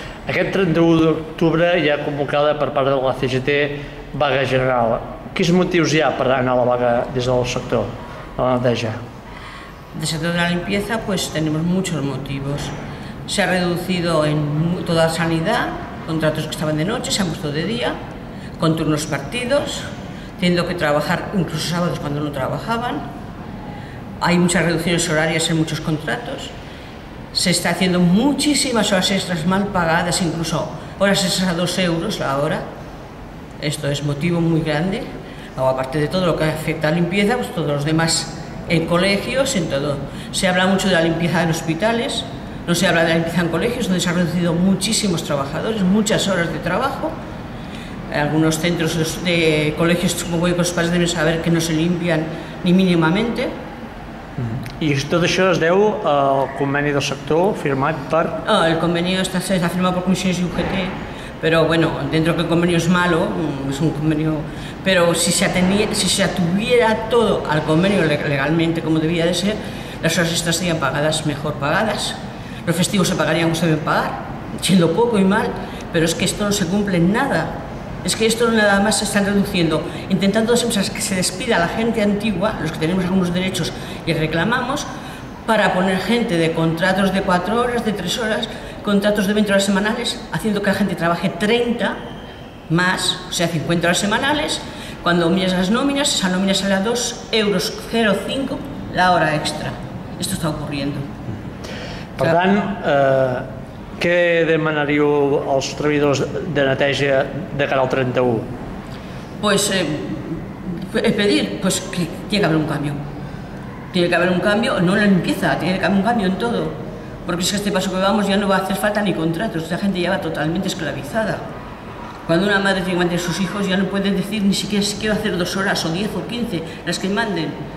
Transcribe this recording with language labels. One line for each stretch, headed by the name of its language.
Catalan: Aquest 31 d'octubre hi ha convocada per part de la CGT vaga general. Quins motius hi ha per anar a la vaga des del sector de la neteja?
Spanish: Del sector de la limpieza pues tenemos muchos motivos. Se ha reducido en toda la sanidad, contratos que estaban de noche se han puesto de día, con turnos partidos, teniendo que trabajar incluso sábados cuando no trabajaban. Hay muchas reducciones horarias en muchos contratos. Se está haciendo muchísimas horas extras mal pagadas, incluso horas extras a 2 euros la hora. Esto es motivo muy grande. O aparte de todo lo que afecta a limpieza, pues todos los demás en colegios, en todo. Se habla mucho de la limpieza en hospitales, no se habla de la limpieza en colegios, donde se han reducido muchísimos trabajadores, muchas horas de trabajo. Algunos centros de colegios, como voy con los padres, deben saber que no se limpian ni mínimamente.
Catalan: I tot això es deu al conveni del sector firmat per... Oh, el conveni està firmat per Comissions i UGT, però bueno,
Spanish: dentro que
Catalan: el conveni és
Spanish: malo,
Catalan: és un conveni... Però si se atuviera tot al conveni legalment com devia de ser, les hores extras serien pagades, millor pagades, els festius se pagarien com
Spanish: se deben pagar, siendo poco y mal,
Catalan: però és que
Spanish: esto no se cumple en nada. Es que esto nada más se están reduciendo, intentando que se despida la gente antigua, los que tenemos algunos derechos y reclamamos, para poner gente de contratos de 4 horas, de 3 horas, contratos de 20 horas semanales, haciendo que la gente trabaje 30 más, o sea, 50 horas semanales. Cuando miras las nóminas, esa nómina sale a 2,05 € la hora extra. Esto está ocurriendo. Perdón.
Catalan: Què demanaríeu als treballadors de neteja de cara al 31?
Spanish: Pues pedir pues que tiene que haber un cambio. Tiene que haber un cambio, no en la limpieza, tiene que haber un cambio en todo. Porque si este paso que vamos ya no va a hacer falta ni contratos, la gente ya va totalmente esclavizada. Cuando una madre tiene que mantener a sus hijos ya no puede decir ni siquiera si quiero hacer 2 horas o 10 o 15, las que manden.